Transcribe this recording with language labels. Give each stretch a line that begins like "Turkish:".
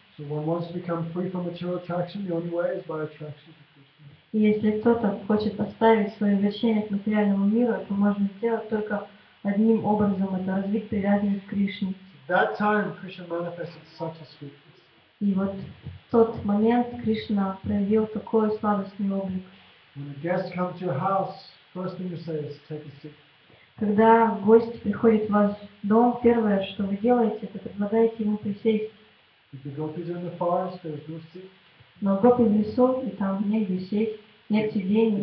English: So one wants to become free from material attraction, the only way is by attraction.
Russian: И если кто-то хочет оставить свое влечение к материальному миру, это можно сделать только одним образом, это развить привязанность к Кришне.
English: That time Krishna manifested such a sweetness.
Russian: И вот в тот момент Кришна проявил такой сладостный облик.
English: When a guest comes to your house, first thing you say is take a seat.
Russian: Когда гость приходит в ваш дом, первое, что вы делаете, это предлагаете ему присесть.
English: If the gopis are in the forest, there is no seat.
Russian: Но гопи в лесу, и там негде сесть, нет сидений.